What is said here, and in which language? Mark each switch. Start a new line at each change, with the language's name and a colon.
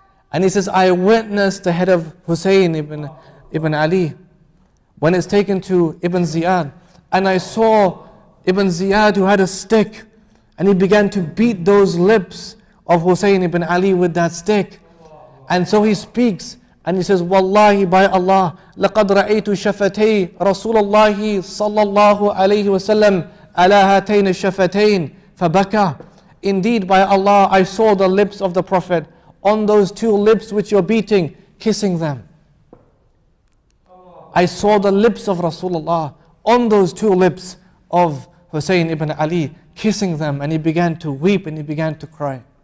English: And he says, I witnessed the head of Husayn ibn Ali when it's taken to ibn Ziyad. And I saw ibn Ziyad who had a stick and he began to beat those lips of Husayn ibn Ali with that stick. And so he speaks and he says, Wallahi, by Allah,
Arabic: لَقَدْ رَأَيْتُ شَفَتَيْ رَسُولَ اللَّهِ صَلَّى اللَّهُ عَلَيْهِ وَسَلَّمْ عَلَى هَتَيْنَ الشَّفَتَيْنِ فَبَكَى.
English: Indeed, by Allah, I saw the lips of the Prophet on those two lips which you're beating, kissing them. I saw the lips of Rasulullah on those two lips of Husayn ibn Ali, kissing them, and he began to weep and he began to cry.